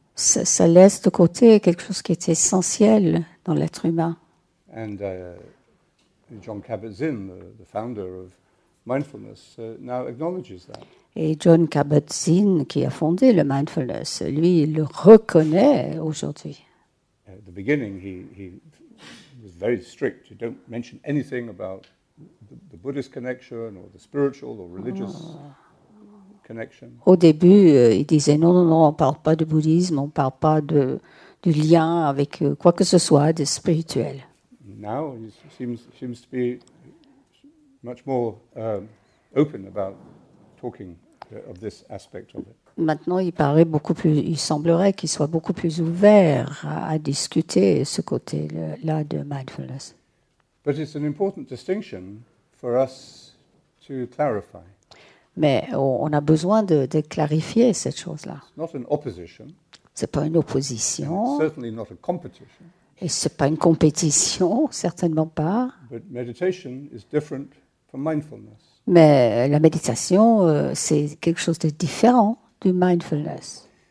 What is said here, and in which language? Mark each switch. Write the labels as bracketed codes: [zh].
[fr] Ça laisse de côté quelque chose qui est essentiel dans l'être humain. [en] And John Kabat-Zinn, the founder of mindfulness, now acknowledges that. [fr] Et John Kabat-Zinn, qui a fondé le mindfulness, lui, il le reconnaît aujourd'hui. [en] At the beginning, he was very strict. You don't mention anything about the Buddhist connection or the spiritual or religious. Oh. [fr] Au début, il disait non, on ne parle pas de bouddhisme, on ne parle pas du lien avec quoi que ce soit de spirituel. [en] Now he seems to be much more open about talking of this aspect of it. [fr] Maintenant, il semblerait qu'il soit beaucoup plus ouvert à discuter ce côté-là de mindfulness. [en] But it's an important distinction for us to clarify. [fr] Mais on a besoin de clarifier cette chose-là. Ce n'est pas une opposition. [en] Certainly not a competition. [fr] Et ce n'est pas une compétition, certainement pas. [en] But meditation is different from mindfulness. [fr] Mais la méditation, c'est quelque chose de différent du mindfulness.